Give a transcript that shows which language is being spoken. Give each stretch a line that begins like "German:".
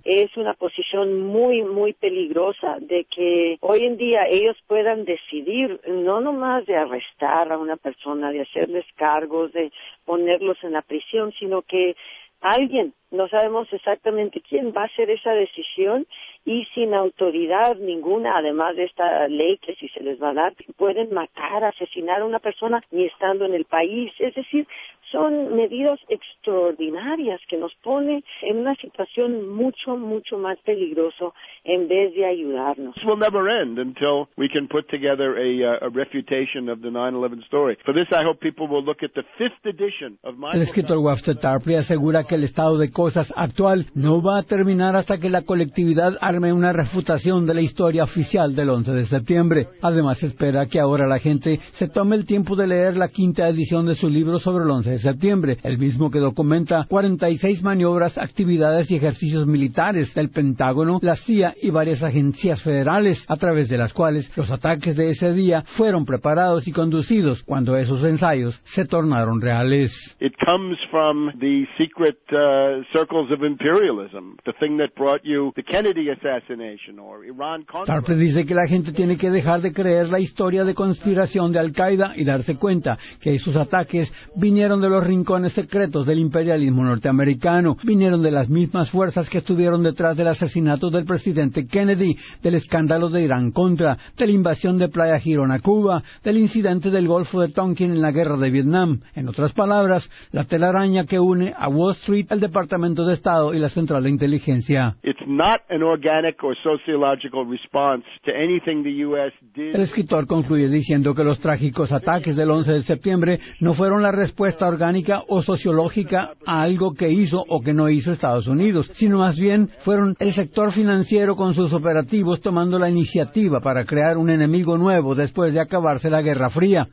Spanish: Es una posición muy, muy peligrosa de que hoy en día ellos puedan decidir no nomás de arrestar a una persona, de hacerles cargos, de ponerlos en la prisión, sino que alguien, no sabemos exactamente quién, va a hacer esa decisión y sin autoridad ninguna, además de esta ley que sí se les va a dar, pueden matar, asesinar a una persona ni estando en el país. Es decir, son medidas extraordinarias que nos pone en una situación mucho, mucho más peligroso en vez de ayudarnos.
English: This will never end until we can put together a refutation of the 9/11 story. For this, I hope people will look at the fifth edition of my.
Spanish: El escritor Wafter Tarpley asegura que el estado de cosas actual no va a terminar hasta que la colectividad arme una refutación de la historia oficial del 11 de septiembre. Además, espera que ahora la gente se tome el tiempo de leer la quinta edición de su libro sobre el 11 de septiembre, el mismo que documenta 46 maniobras, actividades y ejercicios militares del Pentágono, la CIA y varias agencias federales, a través de las cuales los ataques de ese día fueron preparados y conducidos cuando esos ensayos se tornaron reales.
English: It comes from the secret circles of imperialism, the thing that brought you the Kennedy assassination or Iran conflict.
Spanish: Tarpley dice que la gente tiene que dejar de creer la historia de conspiración de Al-Qaeda y darse cuenta que esos ataques vinieron de los rincones secretos del imperialismo norteamericano, vinieron de las mismas fuerzas que estuvieron detrás del asesinato del presidente Kennedy, del escándalo de Irán contra, de la invasión de Playa Girón a Cuba, del incidente del Golfo de Tonkin en la guerra de Vietnam. En otras palabras, la telaraña que une a Wall Street, el Departamento de Estado y la Central de Inteligencia.
English: It's not an organic or sociological response to anything the U.S. did.
Spanish: El escritor concluye diciendo que los trágicos ataques del 11 de septiembre no fueron la respuesta orgánica o sociológica a algo que hizo o que no hizo Estados Unidos, sino más bien fueron el sector financiero con sus operativos tomando la iniciativa para crear un enemigo nuevo después de acabarse la Guerra Fría.